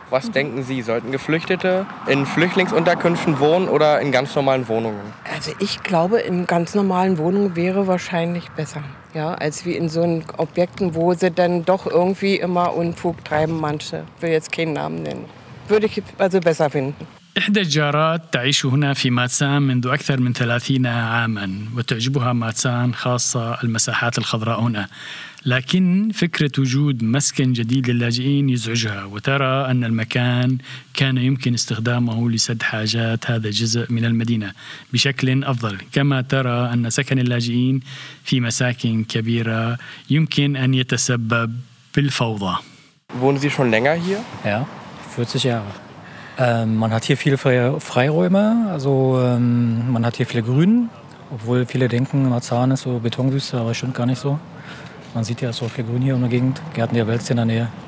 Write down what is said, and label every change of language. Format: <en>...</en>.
<de>Was denken Sie, sollten Geflüchtete in Flüchtlingsunterkünften wohnen oder in ganz normalen Wohnungen? Also ich glaube, in ganz normalen Wohnungen wäre wahrscheinlich besser, ja, als wie in so einen Objekten, wo sie dann doch irgendwie immer Unfug treiben, manche. Ich will jetzt keinen Namen nennen. Würde ich also besser finden.</de> <ar>إحدى الجارات تعيش هنا في ماتسان منذ أكثر من 30 عاماً وتعجبها ماتسان خاصة المساحات الخضراء هنا لكن فكرة وجود مسكن جديد للاجئين يزعجها وترى أن المكان كان يمكن استخدامه لسد حاجات هذا الجزء من المدينة بشكل أفضل كما ترى أن سكن اللاجئين في مساكن كبيرة يمكن أن يتسبب بالفوضى</ar> <de>Wohnen Sie schon länger hier? Ja, 40 Jahre. Man hat hier viele Freiräume, also man hat hier viele Grün, obwohl viele denken, Marzahn ist so Betonwüste, aber stimmt gar nicht so. Man sieht ja so viel Grün hier in der Gegend, Gärten der Welt in der Nähe.</de>